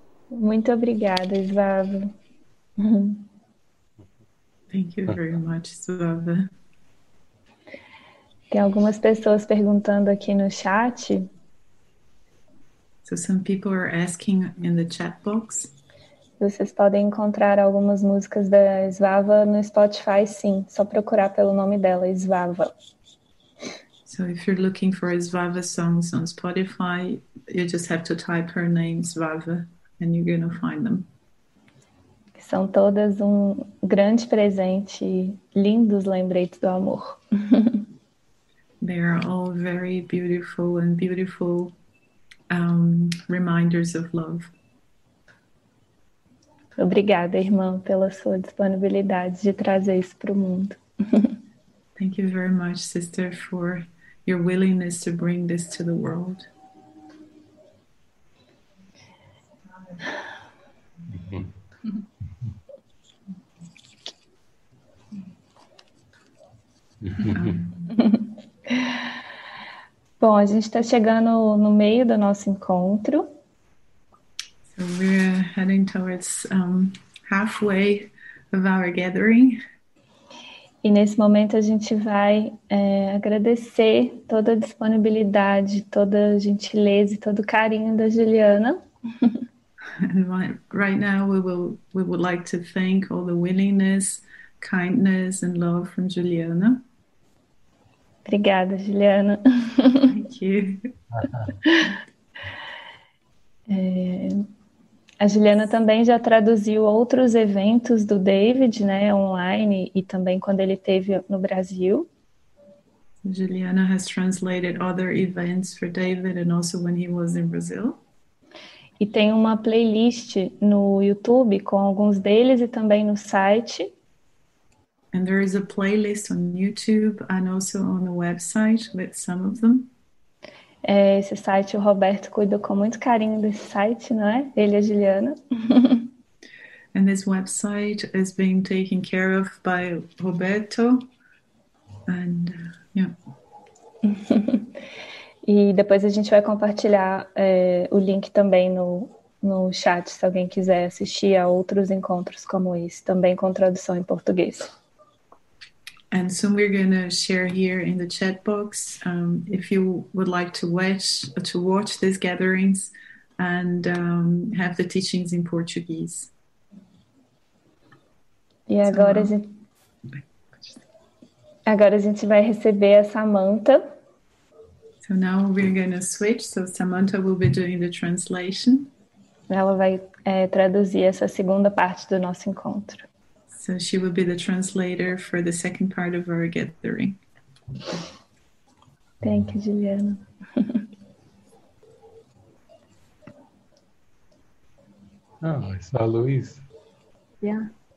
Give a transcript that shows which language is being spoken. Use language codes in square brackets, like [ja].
[pt] Muito obrigada, Svava. [en] Thank you very much, Svava. [pt] Tem algumas pessoas perguntando aqui no chat. [en] So some people are asking in the chat box. [pt] Vocês podem encontrar algumas músicas da Svava no Spotify, sim. Só procurar pelo nome dela, Svava. [en] So if you're looking for Svava songs on Spotify, you just have to type her name, Svava. And you're going to find them. [pt] São todas grande presente, lindos lembretes do amor. [en] They are all very beautiful and beautiful reminders of love. [pt] Obrigada, irmã, pela sua disponibilidade de trazer isso para o mundo. [en] Thank you very much, sister, for your willingness to bring this to the world. [pt] Bom, a gente está chegando no meio do nosso encontro. [en] So we're heading towards halfway of our gathering. [pt] E nesse momento a gente vai agradecer toda a disponibilidade, toda a gentileza e todo o carinho da Juliana. [en] And right now we would like to thank all the willingness, kindness and love from Juliana. [pt] Obrigada, Juliana. [en] Thank you. [pt] A Juliana também já traduziu outros eventos do David, né, online e também quando ele teve no Brasil. [en] Juliana has translated other events for David and also when he was in Brazil. [pt] E tem uma playlist no YouTube com alguns deles e também no site. [en] And there is a playlist on YouTube and also on the website with some of them. [pt] É, esse site, o Roberto cuidou com muito carinho desse site, não é? Ele e a Juliana. [en] And this website has been taken care of by Roberto. And, yeah. [pt] E depois a gente vai compartilhar o link também no chat, se alguém quiser assistir a outros encontros como esse, também com tradução em português. [en] And so we're going to share here in the chat box, if you would like to watch these gatherings and have the teachings in Portuguese. [pt] E agora, agora a gente vai receber a Samantha. [en] So now we're going to switch, so Samantha will be doing the translation. [pt] Ela vai traduzir essa segunda parte do nosso encontro. [en] So she will be the translator for the second part of our gathering. Thank you, Juliana. Oh, I saw Luiz. Yeah.